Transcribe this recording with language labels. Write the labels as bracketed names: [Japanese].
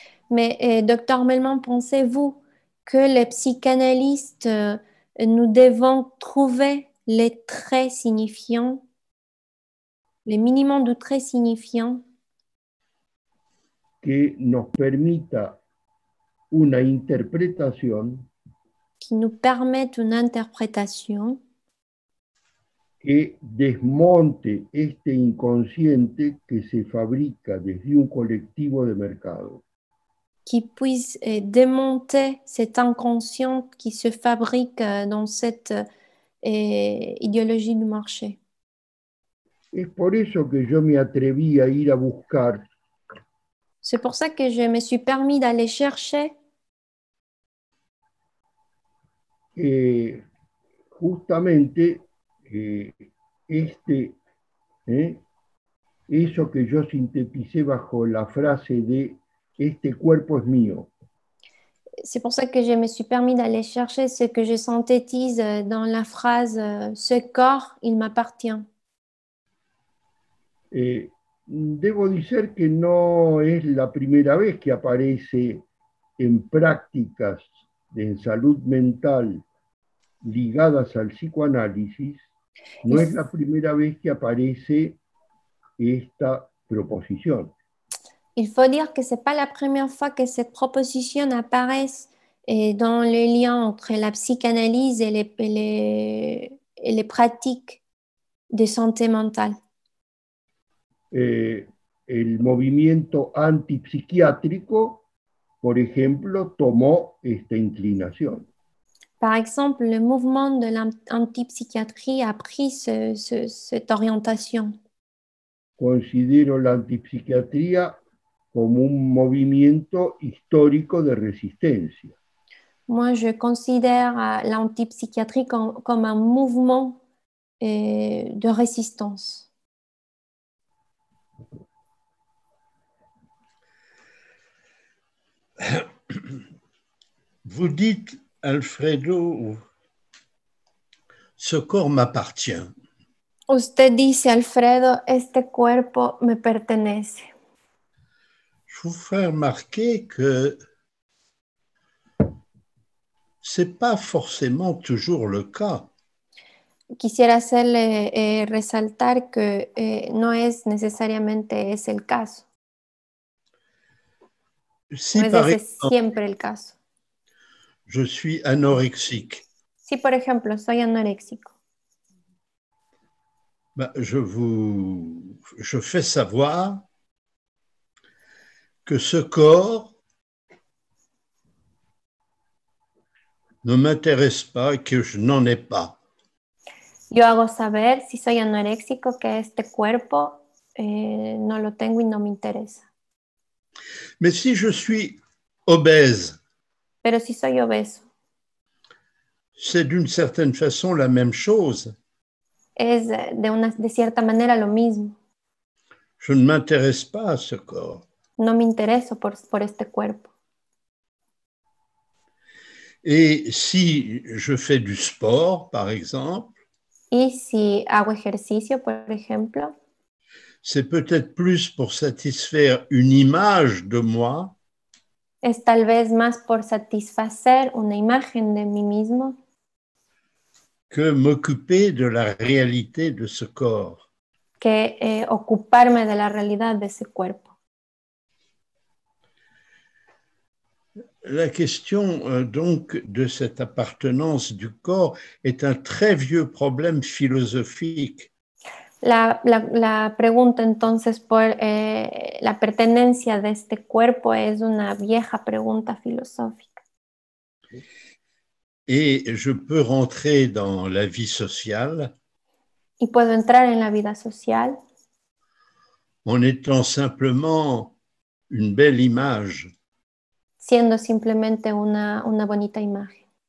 [French] Mais docteur Melman, pensez-vous que les psychanalystes nous devons trouver les traits signifiants, les minimums de traits signifiants [Spanish] que nos permita una interpretación, [French] qui nous permettent une interprétation, [Spanish] que desmonte este inconsciente que se fabrica desde un colectivo de mercado. [French] Qui puisse démonter cet inconscient qui se fabrique dans cette idéologie du marché. [Spanish] Es por eso que yo me atreví a ir a buscar. [French] C'est pour ça que je me suis permis d'aller chercher. [Spanish] Justamente eso que yo sinteticé bajo la frase de este cuerpo es mío. [French] C'est pour ça que je me suis permis d'aller chercher ce que je synthétise dans la phrase ce corps, il m'appartient. [Spanish] Debo decir que no es la primera vez que aparece en prácticas de salud mental ligadas al psicoanálisis. No es la primera vez que aparece esta proposición. [French] Il faut dire que c'est pas la première fois que cette proposition apparaît dans les liens entre la psychanalyse et les et les pratiques de santé mentale. [Spanish] El movimiento antipsiquiátrico, por ejemplo, tomó esta inclinación. [French] Par exemple, le mouvement de l'antipsychiatrie a pris cette orientation. [Spanish] Considero la antipsiquiatría como un movimiento histórico de resistencia. [French] Moi, je considère l'antipsychiatrie comme un mouvement de résistance. Vous dites, Alfredo, ce corps m'appartient. [Spanish] Usted dice, Alfredo, este cuerpo me pertenece. [French] Je vous fais remarquer que ce n'est pas forcément toujours le cas. [Spanish] Quisiera hacerle resaltar que no es necesariamente es el caso. Si no es par ese ejemplo, siempre el caso. [French] Je suis anorexique. [Spanish] Si, por ejemplo, soy anoréxico. [French] Bah, je fais savoir que ce corps ne m'intéresse pas, que je n'en ai pas. [Spanish] Yo hago saber, si soy anoréxico, que este cuerpo no lo tengo y no me interesa. [French] Mais si je suis obèse, [Spanish] pero si soy obeso, [French] c'est d'une certaine façon la même chose. [Spanish] Es de cierta manera lo mismo. [French] Je ne m'intéresse pas à ce corps. [Spanish] No me intereso por este cuerpo. [French] Et si je fais du sport, par exemple, [Spanish] y si hago ejercicio, por ejemplo, [French] c'est peut-être plus pour satisfaire une image de moi. [Spanish] Es tal vez más por satisfacer una imagen de mí mismo. [French] Que m'occuper de la réalité de ce corps. [Spanish] Que ocuparme de la realidad de ese cuerpo. [French] La question donc de cette appartenance du corps est un très vieux problème philosophique. [Spanish] La pregunta entonces por la pertenencia de este cuerpo es una vieja pregunta filosófica. [French] Et je peux rentrer dans la vie sociale. [Spanish] Y puedo entrar en la vida social. [French] En étant simplement une belle image. [Spanish] Siendo simplemente una bonita imagen.